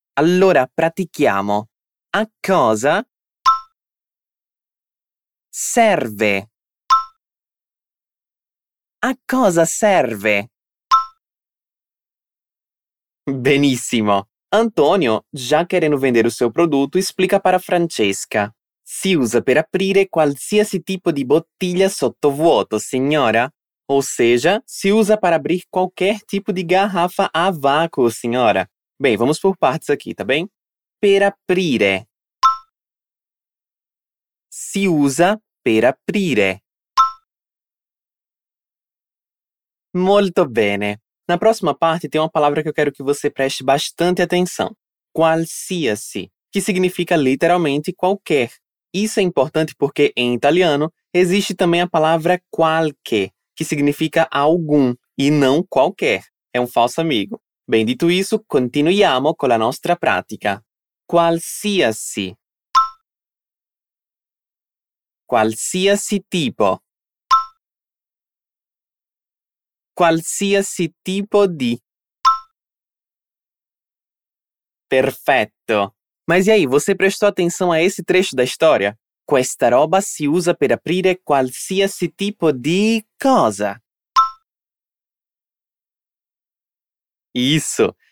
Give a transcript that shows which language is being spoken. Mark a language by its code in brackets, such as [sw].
[it] Allora, pratichiamo. A cosa serve? A cosa serve? Benissimo. [pt] Antonio, já querendo vender o seu produto, explica para Francesca. [it] Si usa per aprire qualsiasi tipo di bottiglia sottovuoto, signora. [pt] Ou seja, se usa para abrir qualquer tipo de garrafa a vácuo, senhora. Bem, vamos por partes aqui, tá bem? [it] Per aprire. Si usa per aprire. Molto bene. [pt] Na próxima parte tem uma palavra que eu quero que você preste bastante atenção. Qualsiasi, que significa literalmente qualquer. Isso é importante porque em italiano existe também a palavra qualche, que significa algum e não qualquer. É um falso amigo. Bem, dito isso, [it] continuiamo con la nostra pratica. Qualsiasi. Qualsiasi tipo. Qualsiasi tipo di. Perfetto. [pt] Mas e aí, você prestou atenção a esse trecho da história? [it] Questa roba si usa per aprire qualsiasi tipo di cosa. [pt] Isso.